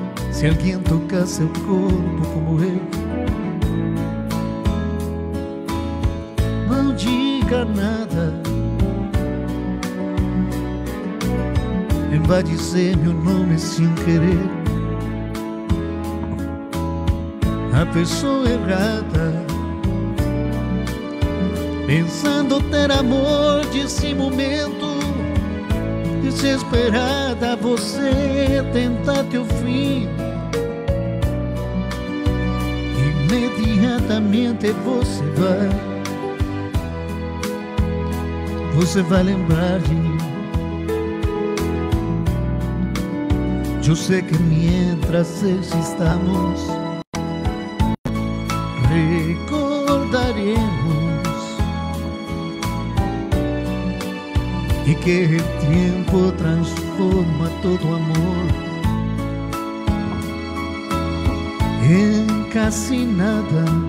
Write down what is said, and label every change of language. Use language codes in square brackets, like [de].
[es] Si alguien toca [pt] seu corpo [es] como él, no diga nada. Él va a decir mi nombre sin querer. [pt] A pessoa errada, pensando ter amor desse momento, desesperada você tenta teu fim. Imediatamente você vai, você vai lembrar de mim. Eu sei que [es] mientras existamos recordaremos y que el tiempo transforma todo amor en casi nada.